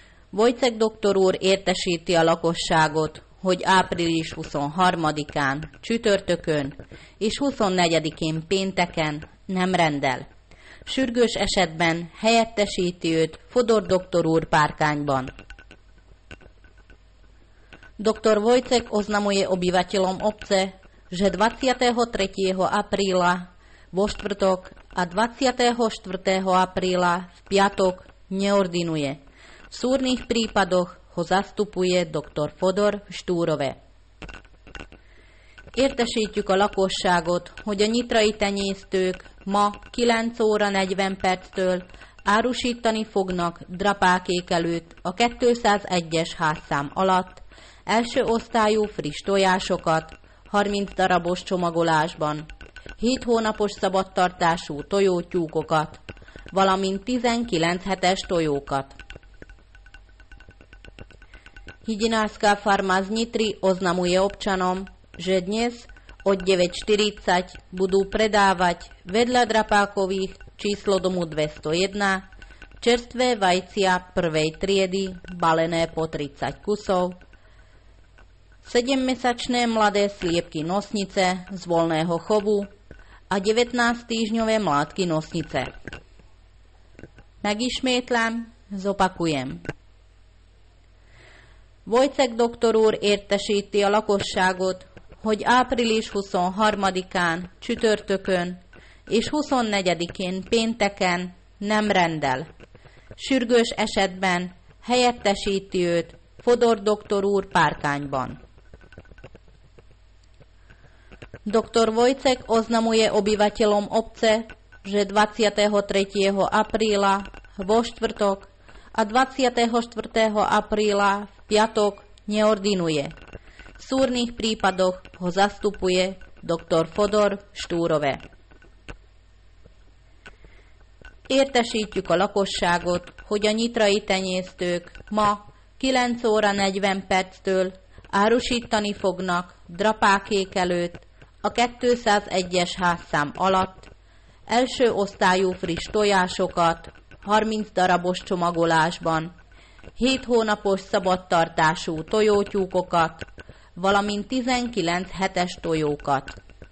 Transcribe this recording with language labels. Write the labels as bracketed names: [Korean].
[Hungarian] Vojcek doktor úr értesíti a lakosságot, hogy április 23-án, csütörtökön és 24-én pénteken nem rendel. Sürgős esetben helyettesíti őt Fodor doktor úr Párkányban. [Slovak] Dr. Vojcek oznamuje obyvateľom obce, že 23. apríla vo štvrtok a 24. apríla v piatok neordinuje. V súrnych prípadoch ho zastupuje dr. Fodor Štúrove. [Hungarian] Értesítjük a lakosságot, hogy a nyitrai tenyésztők ma 9 óra 40 perctől árusítani fognak drapákékelőt a 201-es házszám alatt, első osztályú friss tojásokat 30 darabos csomagolásban, 7 hónapos szabadtartású tojótyúkokat, valamint 19 hetes tojókat. [Slovak] Hygienická farma z Nitry oznamuje občanom, že dnes od 9.40 budú predávať vedľa drapákových číslo domu 201 čerstvé vajcia prvej triedy balené po 30 kusov, 7-mesačné mladé sliepky nosnice z voľného chovu a 19-týždňové mládky nosnice. [Hungarian] Megismétlám, [Slovak] zopakujem. [Hungarian] Vojcek doktor úr értesíti a lakosságot, hogy április 23-án, csütörtökön és 24-én pénteken nem rendel. Sürgős esetben helyettesíti őt Fodor doktor úr Párkányban. [Slovak] Dr. Vojcek oznamuje obyvateľom obce, že 23. apríla vo štvrtok a 24. apríla v piatok neordinuje. V súrnych prípadoch ho zastupuje dr. Fodor Štúrove. [Hungarian] Értesítjük a lakosságot, hogy a nyitrai tenyésztők ma 9 óra 40 perctől árusítani fognak drapákékelőt a 201-es házszám alatt, első osztályú friss tojásokat 30 darabos csomagolásban, 7 hónapos szabadtartású tojótyúkokat, valamint 19 hetes tojókat.